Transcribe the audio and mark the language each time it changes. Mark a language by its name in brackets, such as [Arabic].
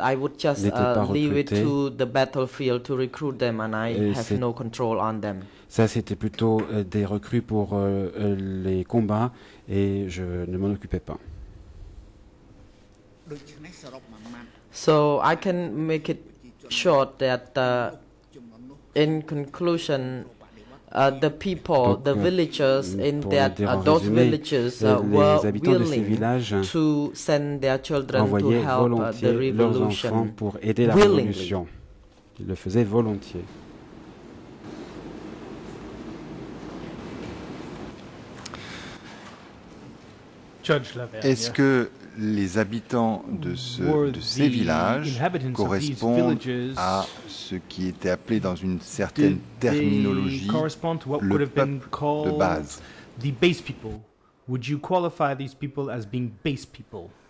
[English] I would just leave it to the battlefield to recruit them, and I have no control on them. [French] Ça, c'était plutôt des recrues pour les combats, et je ne m'en occupais pas. [English] So I can make it short that in conclusion. The people, [French] donc, [English] the villagers in that, those villages were willing to send their children to help the revolution. [French] Pour aider la révolution. Ils le faisaient volontiers. Judge Laverne, est-ce que les habitants de ces villages correspondent à ce qui était appelé dans une certaine terminologie le peuple de base? [English] The base people. Would you qualify these people as being base people?